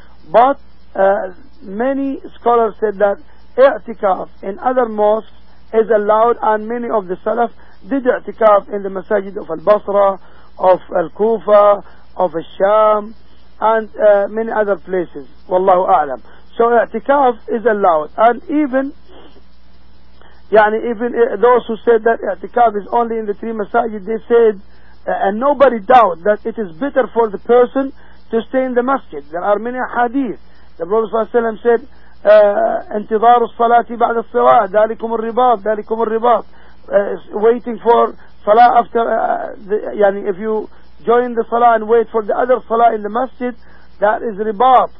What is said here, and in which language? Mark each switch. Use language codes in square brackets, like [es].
[en] But many scholars said that i'tikaf in other mosques is allowed, and many of the Salaf did i'tikaf in the masajid of Al-Basra, of Al-Kufa, of Al-Sham, and many other places. Wallahu A'lam. So i'tikaf is allowed. And even those who said that i'tikaf is only in the three masajid, they said, and nobody doubt that it is better for the person to stay in the masjid. There are many hadith. The Prophet ﷺ said, [ar] "انتظار الصلاة بعد الصلاة ذلكم الرباط ذلكم الرباط." [en] Waiting for salah after, if you join the salah and wait for the other salah in the masjid, that is ribat.